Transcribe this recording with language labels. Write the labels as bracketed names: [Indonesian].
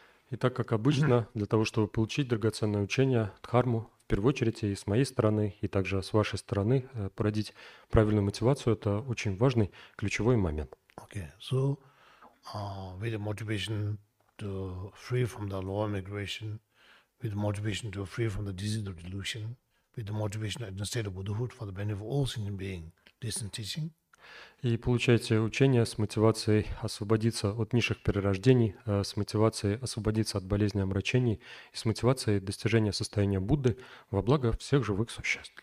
[Russian] Итак, как обычно, для того, чтобы получить драгоценное учение, дхарму, в первую очередь и с моей стороны, и также с вашей стороны, породить правильную мотивацию – это очень важный ключевой момент. [English] Okay, so with motivation to free from the lower migration, with motivation to free from the disease of delusion, with the motivation in the state of Buddhahood for the benefit of all sentient beings, this is teaching. [Russian] И получаете учение с мотивацией освободиться от низших перерождений, с мотивацией освободиться от болезни омрачений и с мотивацией достижения состояния Будды во благо всех живых существ.